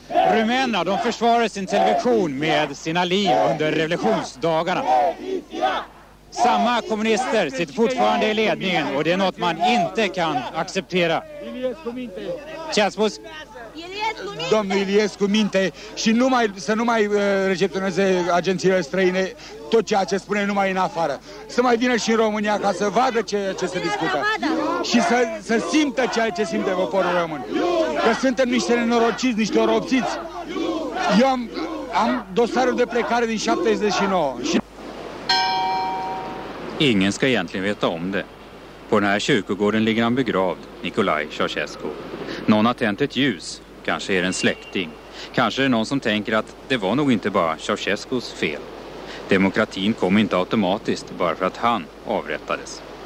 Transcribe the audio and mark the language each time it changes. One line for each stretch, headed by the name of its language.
Swedish: Rumänerna, de försvarar sin television med sina liv under revolutionsdagarna. Samma kommunister sitter fortfarande i ledningen och det är något man inte kan acceptera. Chiaspus.
Romanian: Domnul Iliescu minte și numai să nu mai recepționeze agențiile străine tot ceea ce spune numai în afară. Să mai vină și în România ca să vadă ce se discută și să simtă ceea ce simte poporul român. Că suntem niște nenorociți, niște oropsiți. Eu am dosarul de plecare din 79.
Swedish: Ingen ska egentligen veta om det. På den här kyrkogården ligger han begravd, Nicolae Ceaușescu. Någon har tänt ett ljus. Kanske är en släkting. Kanske är det någon som tänker att det var nog inte bara Ceaușescus fel. Demokratin kom inte automatiskt bara för att han avrättades.